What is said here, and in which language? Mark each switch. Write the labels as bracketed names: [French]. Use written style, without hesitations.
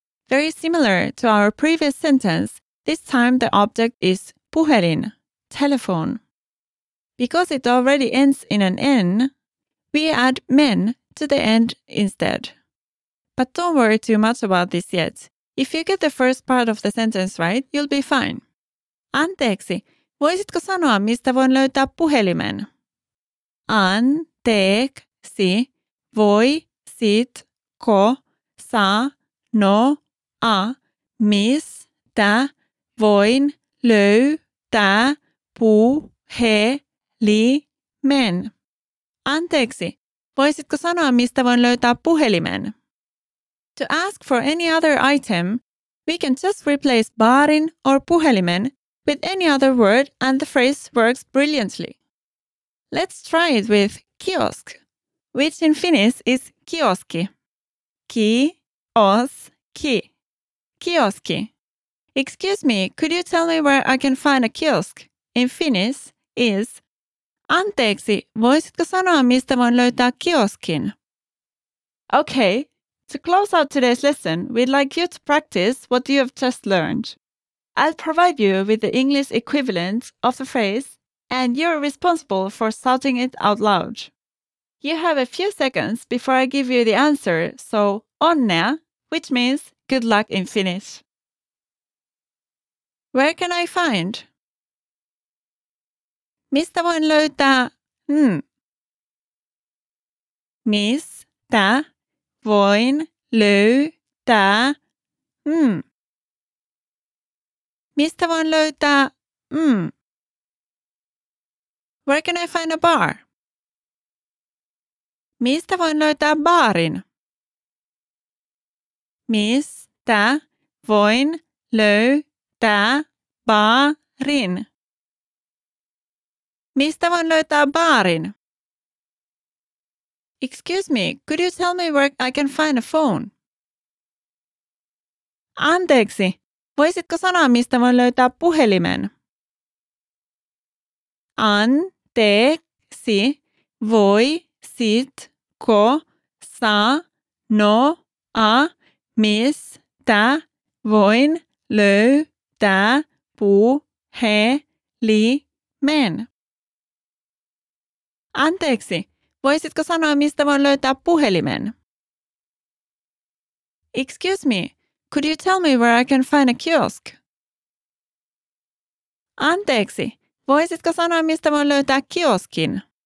[English] Very similar to our previous sentence, this time the object is puhelin, telephone. Because it already ends in an N, we add men to the end instead. But don't worry too much about this yet. If you get the first part of the sentence right, you'll be fine. [Finnish] Anteeksi, voisitko sanoa, mistä voin löytää puhelimen? Anteeksi, voisitko sanoa, mistä voin löytää puhelimen? Anteeksi. Voisitko sanoa, mistä voin löytää puhelimen? [English] To ask for any other item, we can just replace baarin or puhelimen with any other word and the phrase works brilliantly. Let's try it with kiosk, which in Finnish is kioski. [Finnish] Ki-os-ki. Kioski. [English] Excuse me, could you tell me where I can find a kiosk? In Finnish is [Finnish] anteeksi, voisitko sanoa, mistä voin löytää kioskin? [English] Okay, to close out today's lesson, we'd like you to practice what you have just learned. I'll provide you with the English equivalent of the phrase, and you're responsible for shouting it out loud. You have a few seconds before I give you the answer, so onnea, which means good luck in Finnish. Where can I find? [Finnish] Mistä voin löytää? Mistä voin löytää? Mistä voin löytää? [English] Where can I find a bar? [Finnish] Mistä voin löytää baarin? Mistä voin löytää baarin? Mistä voin löytää baarin? [English] Excuse me, could you tell me where I can find a phone? [Finnish] Anteeksi, voisitko sanoa, mistä voin löytää puhelimen? Anteeksi, voisitko sanoa, mistä voin löytää puhelimen? Anteeksi, voisitko sanoa, mistä voin löytää puhelimen? [English] Excuse me, could you tell me where I can find a kiosk? [Finnish] Anteeksi, voisitko sanoa, mistä voin löytää kioskin?